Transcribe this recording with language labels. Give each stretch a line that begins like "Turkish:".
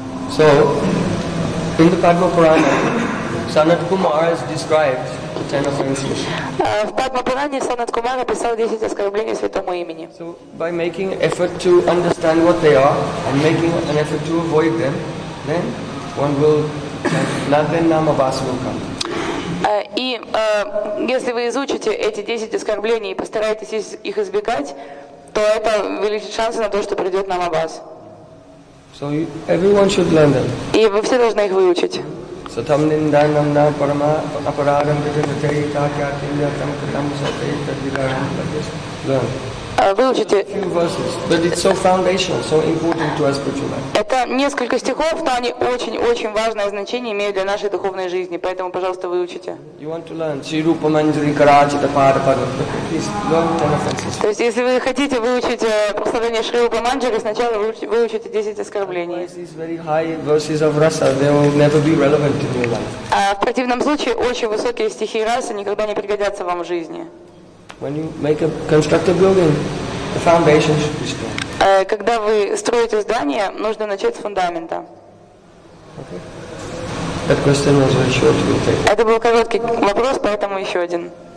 English: So, in the Padma Purana, Sanat Kumar has described 10 offenses.
Russian: В Padma Purana Sanat Kumar написал 10 оскорблений святому имени.
English: So, by making effort to understand what they are and making an effort to avoid them, then one will, then Namabhadas will come.
Russian: И если вы изучите эти 10 оскорблений и постараетесь их избегать, то это увеличит шансы на то, что придет Намабас.
English: So everyone should learn them.
Russian: И вы все должны их выучить. Сатам ниндайнам на парама апарарам дитатей такя кинья там катам сатей тадвигарам.
English: Learn.
Russian: Выучите.
English: A few verses, but it's so foundational, so important to our spiritual life.
Russian: Это несколько стихов, но они очень-очень важное значение имеют для нашей духовной жизни, поэтому, пожалуйста, выучите.
English: You want to learn. Чиру паманджри карачи тапара пара. Please learn 10 offenses.
Russian: То есть, если вы хотите выучить прославление Шри Рупаманджари, сначала выучите 10 оскорблений.
English: These very high verses of rasa, they will never be relevant to your life.
Russian: В противном случае, очень высокие стихи расы никогда не пригодятся вам в жизни.
English: When you make a constructive building, the foundation should be strong.
Russian: Когда вы строите здание, нужно начать с фундамента.
English: Okay. That question was very short. We'll take.
Russian: Это был короткий вопрос, поэтому еще один.